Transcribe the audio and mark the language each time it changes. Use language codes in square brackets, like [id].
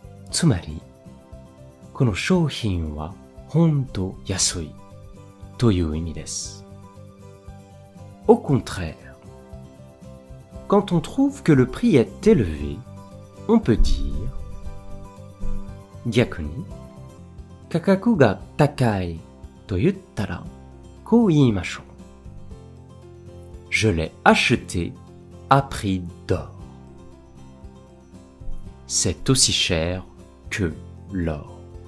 [ja] つまり、この商品は本当安いという意味です。 [fr] Au contraire, quand on trouve que le prix est élevé, on peut dire [ja] 逆に、価格が高いと言ったら、こう言いましょう。 [fr] Je l'ai acheté à prix d'or. C'est aussi cher que l'or.